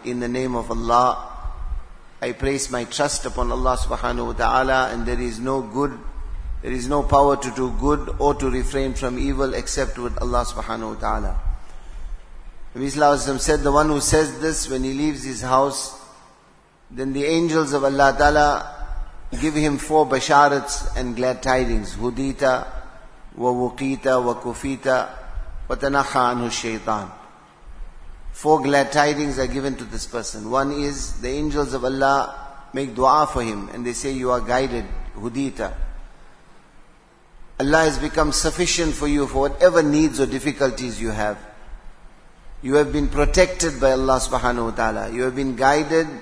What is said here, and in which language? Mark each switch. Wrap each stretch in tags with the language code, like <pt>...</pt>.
<en>In the name of Allah, I place my trust upon Allah subhanahu wa ta'ala, and there is no good, there is no power to do good or to refrain from evil except with Allah subhanahu wa ta'ala. Nabi sallallahu alayhi wa sallam said, the one who says this when he leaves his house, then the angels of Allah ta'ala give him four basharats and glad tidings.</en> <ar>Hudita, وَوُقِيتَ وَكُفِيتَ وَتَنَخَى عَنْهُ الشَّيْطَانِ.</ar> <en>Four glad tidings are given to this person. One is, the angels of Allah make dua for him, and they say, you are guided, hudita. Allah has become sufficient for you for whatever needs or difficulties you have. You have been protected by Allah subhanahu wa ta'ala. You have been guided.</en>